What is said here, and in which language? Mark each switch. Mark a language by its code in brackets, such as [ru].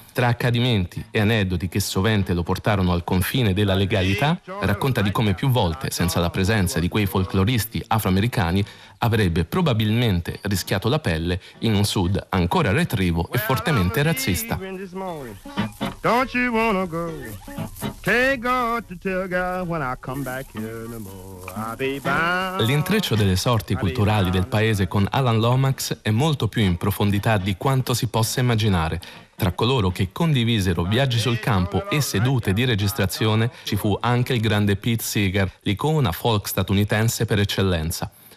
[it] Tra accadimenti e aneddoti che sovente lo portarono al confine della legalità, racconta di come più volte, senza la presenza di quei folcloristi afroamericani, avrebbe probabilmente rischiato la pelle in un sud ancora retrivo e fortemente razzista. [en] Don't you wanna go? Take God to tell God when I come back here no more. [it] L'intreccio delle sorti culturali del paese con Alan Lomax è molto più in profondità di quanto si possa immaginare. Tra coloro che condivisero viaggi sul campo e sedute di registrazione ci fu anche il grande Pete Seeger, l'icona folk statunitense per eccellenza.